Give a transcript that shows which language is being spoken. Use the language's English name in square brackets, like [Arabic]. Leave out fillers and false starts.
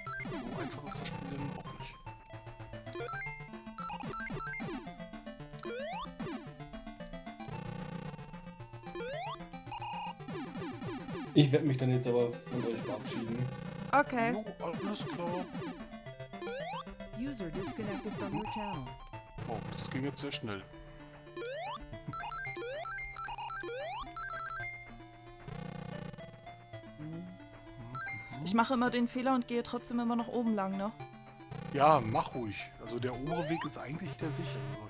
[German] So einfach ist das Spiel denn auch nicht. Ich werde mich dann jetzt aber von euch verabschieden. Okay. Jo, alles klar. [English] User disconnected from your channel. [German] Oh, das ging jetzt sehr schnell. Ich mache immer den Fehler und gehe trotzdem immer nach oben lang, ne? Ja, mach ruhig. Also der obere Weg ist eigentlich der sichere.